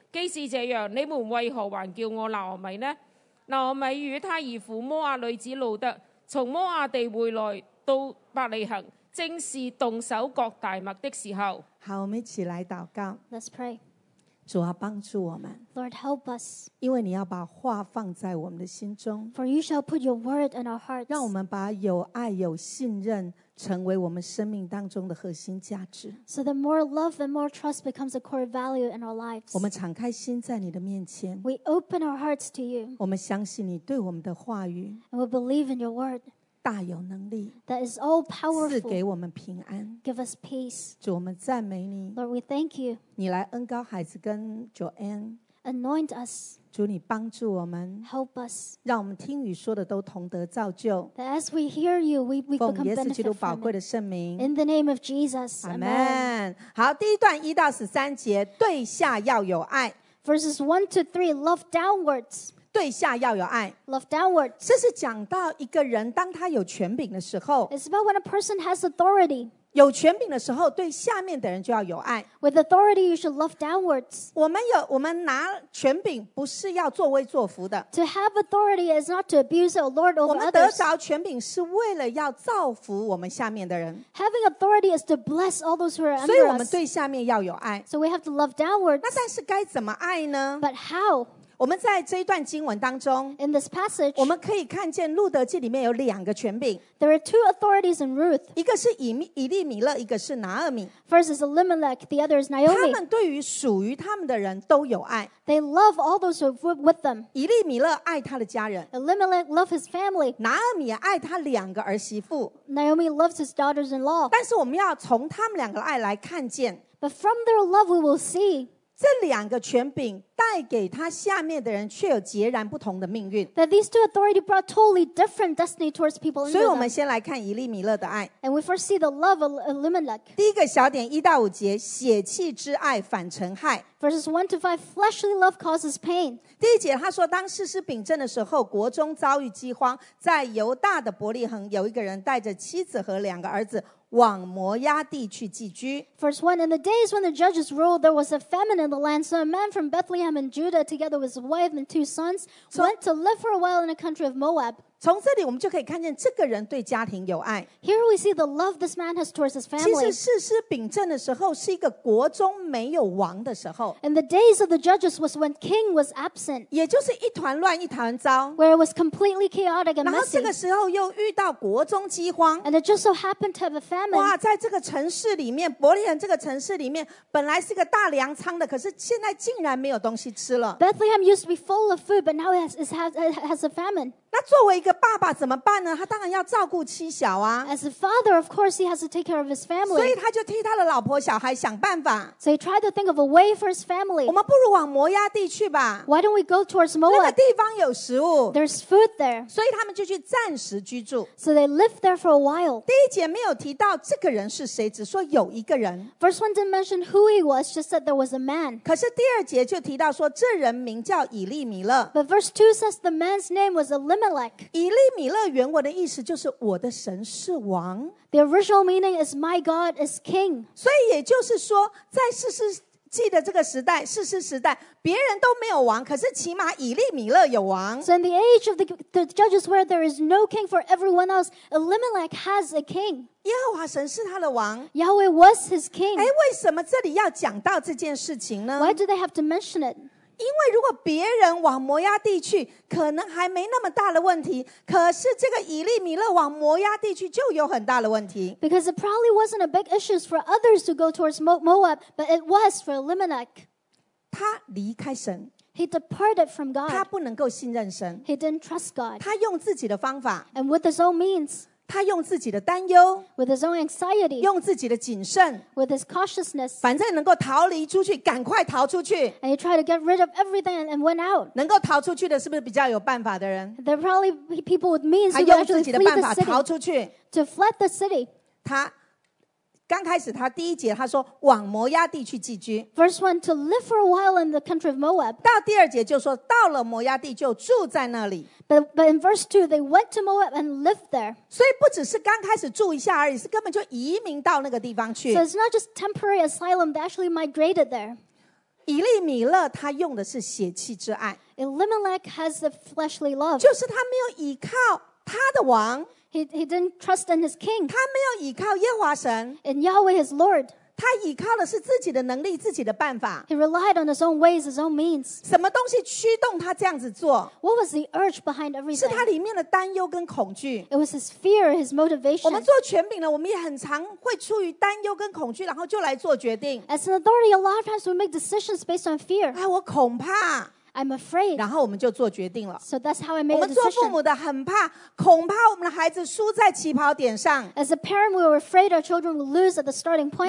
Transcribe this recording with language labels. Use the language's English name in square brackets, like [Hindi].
[Chinese] 既是这样，你们为何还叫我拿俄米呢？拿俄米与他儿父摩亚女子路德从摩亚地回来到伯利恒，正是动手割大麦的时候。好，我们一起来祷告。 [English] Let's pray。 [Chinese] 主啊，帮助我们。 [English] Lord, help us。 [Chinese] 因为你要把话放在我们的心中。 [English] For you shall put your word in our hearts。 [Chinese] 让我们把有爱、有信任成为我们生命当中的核心价值。 [English] So that more love and more trust becomes a core value in our lives。 [Chinese] 我们敞开心在你的面前。 [English] We open our hearts to you。 [Chinese] 我们相信你对我们的话语。 [English] And we believe in your word。 [Chinese] 大有能力 [English] that is all powerful, [Chinese] 赐给我们平安 [English] give us peace. [Chinese] 主我们赞美你 [English] Lord we thank you [Chinese] 你来恩膏孩子跟 Joanne [English] anoint us [Chinese] 主你帮助我们 [English] help us [Chinese] 让我们听与说的都同得造就 [English] that as we hear you we become benefit from it [Chinese] 奉耶稣基督宝贵的圣名 [English] in the name of Jesus Amen, Amen. [Chinese] 好第一段一到十三节对下要有爱 [English] verses 1 to 3 love downwards [Chinese] 对下要有爱 [English] Love downward [Chinese] 这是讲到一个人当他有权柄的时候 [English] It's about when a person has authority [Chinese] 有权柄的时候对下面的人就要有爱 [English] With authority you should love downwards [Chinese] 我们拿权柄不是要作威作福的 [English] To have authority is not to abuse or lord over others [Chinese] 我们得着权柄是为了要造福我们下面的人 [English] Having authority is to bless all those who are under us [Chinese] 所以我们对下面要有爱 [English] So we have to love downwards [Chinese] 那但是该怎么爱呢 [English] But how? [Chinese] 我们在这一段经文当中 [English] In this passage, [Chinese] 我们可以看见路德记里面有两个权柄 [English] There are two authorities in Ruth [Chinese] 一个是以利米勒一个是拿俄米 [English] First is Elimelech the other is Naomi [Chinese] 他们对于属于他们的人都有爱 [English] They love all those who are with them [Chinese] 以利米勒爱他的家人 [English] Elimelech loves his family [Chinese] 拿俄米也爱他两个儿媳妇 [English] Naomi loves his daughters-in-law [Chinese] 但是我们要从他们两个爱来看见 [English] But from their love we will see [Chinese] 这两个权柄带给他下面的人却有截然不同的命运 [English] that these two authority brought totally different destiny towards people [Chinese] 所以我们先来看以利米勒的爱 [English] and we first see the love of Elimelech [Chinese] 第一个小点一到五节血气之爱反成害 [English] verses 1 to 5 fleshly love causes pain [Chinese] 第一节他说当士师秉政的时候国中遭遇饥荒在犹大的伯利恒有一个人带着妻子和两个儿子往摩押地去寄居 [English] First one, in the days when the judges ruled, there was a famine in the land, so a man from Bethlehem in Judah, together with his wife and two sons, went to live for a while in the country of Moab. [Chinese] 从这里我们就可以看见这个人对家庭有爱。 [English] Here we see the love this man has towards his family. [Chinese] 其实士师秉政的时候是一个国中没有王的时候。 [English] In the days of the judges was when king was absent. [Chinese] 也就是一团乱一团糟。 [English] Where it was completely chaotic and messy. [Chinese] 然后这个时候又遇到国中饥荒。 [English] And it just so happened to have a famine. [Chinese] 哇，在这个城市里面，伯利恒这个城市里面，本来是个大粮仓的，可是现在竟然没有东西吃了。 [English] Bethlehem used to be full of food, but now it has a famine. [Chinese] 那作为一个爸爸怎么办呢？他当然要照顾妻小啊。 [English] As a father, of course, he has to take care of his family. [Chinese] 所以他就替他的老婆小孩想办法。 [English] So he tried to think of a way for his family. [Chinese] 我们不如往摩押地去吧。 [English] Why don't we go towards Moab? [Chinese] 那个地方有食物。 [English] There's food there. [Chinese] 所以他们就去暂时居住。 [English] So they lived there for a while. [Chinese] 第一节没有提到这个人是谁，只说有一个人。 [English] First one didn't mention who he was, just said there was a man. [Chinese] 可是第二节就提到说这人名叫以利米勒。 [English] But verse 2 says the man's name was Elimelech. Elimelech. [Chinese] 以利米勒原文的意思就是我的神是王。 [English] The original meaning is my God is king. [Chinese] 所以也就是说，在士师记的这个时代，士师时代，别人都没有王，可是起码以利米勒有王。 [English] So in the age of the judges where there is no king for everyone else, Elimelech has a king. [Chinese] 耶和华神是他的王。 [English] Yahweh was his king. [Chinese] 哎，为什么这里要讲到这件事情呢 [English] ？Why do they have to mention it? [Chinese] 因为如果别人往摩押地去，可能还没那么大的问题。可是这个以利米勒往摩押地去就有很大的问题。 [English] Because it probably wasn't a big issue for others to go towards Moab, but it was for Elimelech. [Chinese] 他离开神。 [English] He departed from God. [Chinese] 他不能够信任神。 [English] He didn't trust God. [Chinese] 他用自己的方法。 [English] And with his own means. [Chinese] 他用自己的担忧 [English] with his own anxiety, [Chinese] 用自己的谨慎 [English] with his cautiousness, [Chinese] 反正能够逃离出去赶快逃出去 [English] and he tried to get rid of everything and went out [Chinese] 能够逃出去的是不是比较有办法的人 [English] there are probably people with means who actually flee the city [Chinese] 逃出去 [English] to fled the city [Chinese] 他刚开始他第一节他说往摩押地去寄居 [English] verse 1 to live for a while in the country of Moab [Chinese] 到第二节就说到了摩押地就住在那里 [English] but in verse 2 they went to Moab and lived there [Chinese] 所以不只是刚开始住一下而已是根本就移民到那个地方去 [English] so it's not just temporary asylum they actually migrated there [Chinese] 以利米勒他用的是血气之爱 [English] Elimelech has the fleshly love [Chinese] 就是他没有依靠他的王 [English] He didn't trust in his king. [Chinese] 他没有依靠耶和华神 [English] In Yahweh his Lord. [Chinese] 他依靠的是自己的能力，自己的办法 [English] He relied on his own ways, his own means. [Chinese] 什么东西驱动他这样子做 [English] What was the urge behind everything? [Chinese] 是他里面的担忧跟恐惧 [English] It was his fear, his motivation. [Chinese] 我们做权柄呢，我们也很常会出于担忧跟恐惧，然后就来做决定 [English] As an authority, a lot of times we make decisions based on fear. [Chinese] 哎，我恐怕 [English] I'm afraid. [Chinese] 然后我们就做决定了。 [English] So that's how I made the decision. [Chinese] 我们做父母的很怕，恐怕我们的孩子输在起跑点上。 [English] As a parent, we were afraid our children would lose at the starting point.